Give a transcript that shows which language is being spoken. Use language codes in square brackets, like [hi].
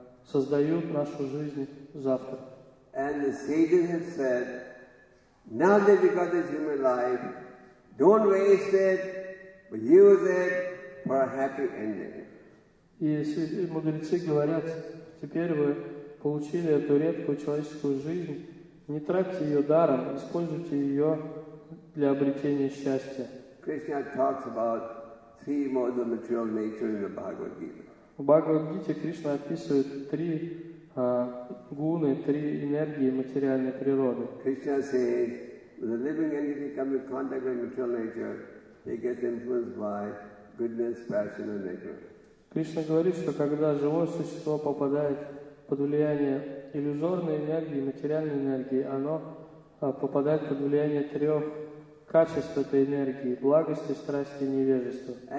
[ru] создают нашу жизнь завтра. [en] And the sages have said, now that you've got this human life, don't waste it, but use it for a happy ending. [ru] И мудрецы говорят, теперь вы получили эту редкую человеческую жизнь, не тратьте ее даром, используйте ее для обретения счастья. [en] Krishna talks about three modes of material nature in the Bhagavad Gita. [ru] В Бхагавад-гите Кришна описывает три гуны, три энергии материальной природы. [en] Krishna says, the living entity comes in contact with material nature, they get influenced by goodness, passion, and nature. [ru] Кришна говорит, что когда живое существо попадает под влияние иллюзорной энергии, материальной энергии, оно попадает под влияние трех качеств этой энергии: благости, страсти и невежества.